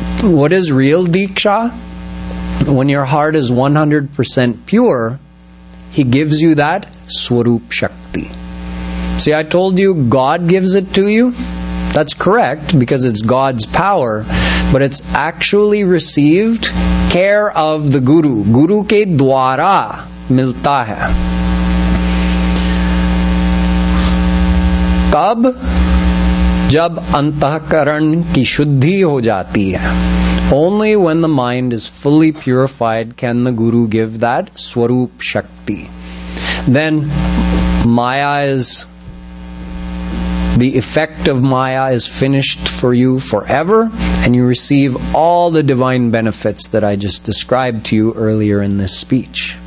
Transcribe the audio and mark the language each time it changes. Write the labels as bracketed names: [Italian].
[English] What is real diksha? When your heart is 100% pure, He gives you that Swarup Shakti. See, I told you God gives it to you. That's correct, because it's God's power, but it's actually received care of the Guru. [Hindi] गुरु के द्वारा मिलता है। Kab? जब अंतःकरण की शुद्धि हो जाती है। [English] Only when the mind is fully purified can the Guru give that swarup shakti. Then maya is... the effect of maya is finished for you forever, and you receive all the divine benefits that I just described to you earlier in this speech.